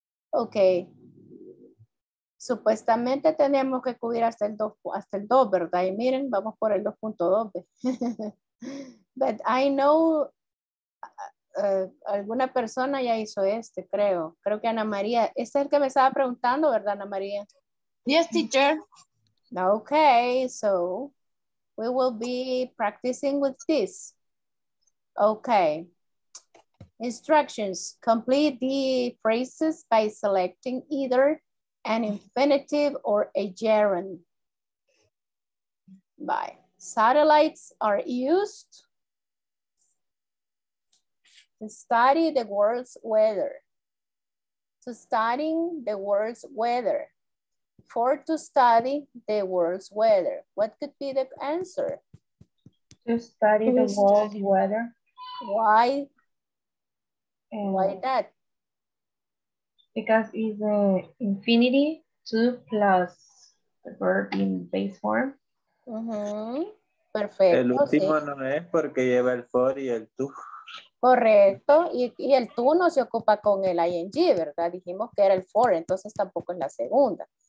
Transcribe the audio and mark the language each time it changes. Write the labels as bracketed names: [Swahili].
[Spanish] Ok. Supuestamente tenemos que cubrir hasta el 2, ¿verdad? Y miren, vamos por el 2.2. [English] But I know [Spanish] alguna persona ya hizo este, creo. Creo que Ana María. Este es el que me estaba preguntando, ¿verdad, Ana María? [English] Yes, teacher. Okay, so we will be practicing with this. Okay. Instructions. Complete the phrases by selecting either an infinitive or a gerund. Bye. Satellites are used to study the world's weather. To studying the world's weather. For to study the world's weather. What could be the answer? To study the world's weather. Why? Why that? Because it's an infinity, two plus the verb in base form. [Spanish] Uh-huh. Perfecto. El último sí. No es porque lleva el for y el to. Correcto, y el tú no se ocupa con el ing, ¿verdad? Dijimos que era el for, entonces tampoco es la segunda.